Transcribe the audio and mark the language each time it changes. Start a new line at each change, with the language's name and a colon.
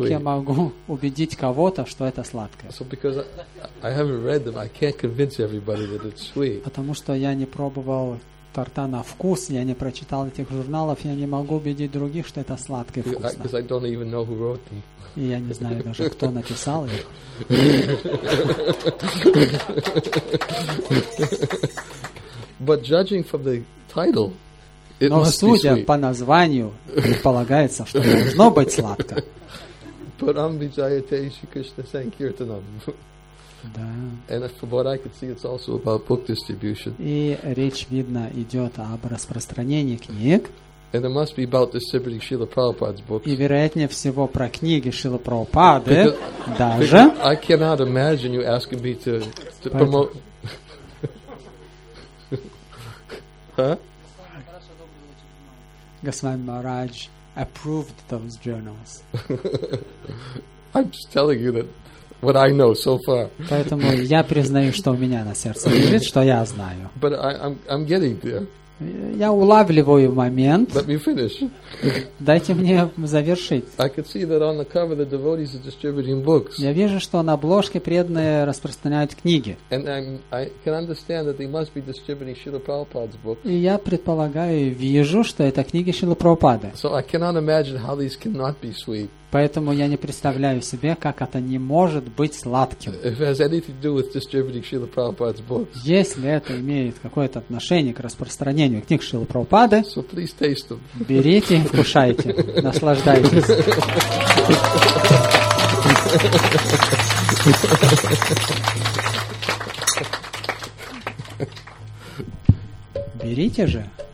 Russian: Как я могу убедить кого-то, что это сладкое?
English: So because I haven't read them, I can't convince everybody that it's sweet.
Russian: Потому что я не пробовал торта на вкус, я не прочитал этих журналов, я не могу убедить других, что это сладкое вкусно.
English: Because I don't even know who wrote them.
Russian: И я не знаю даже, кто написал их.
English: But judging from the title, it must be sweet.
Russian: Но судя по названию, предполагается, что должно быть сладко.
Sanskrit: Param Vijayate Shri Krishna Sankirtanam.
Russian: Да.
English: And from what I could see, it's also about book distribution.
Russian: И речь, видно, идет об распространении книг.
English: And it must be about distributing Srila Prabhupada's books.
Russian: И вероятнее всего про книги Шрилы Прабхупады даже.
English: I cannot imagine you asking me to promote. Huh? Goswami Maharaj approved those journals. I'm just telling you that what I know so far.
Russian: Поэтому я признаю, что у меня на сердце лежит, что я знаю.
English: But I'm getting there.
Russian: Я улавливаю момент.
English: Let me finish.
Russian: Дайте мне завершить.
English: I could see that on the cover the devotees are distributing books.
Russian: Я вижу, что на обложке преданные распространяют книги.
English: And I can understand that they must be distributing Srila Prabhupada's books.
Russian: И я предполагаю, вижу, что это книги Шрилы Прабхупады.
English: So I cannot imagine how these cannot be sweet.
Russian: Поэтому я не представляю себе, как это не может быть сладким.
English: If it has anything to do with distributing Srila Prabhupada's books.
Russian: Если это имеет какое-то отношение к распространению сравнению книг Шрилы Прабхупады.
English: So please taste them.
Russian: Берите, вкушайте, наслаждайтесь. Берите же.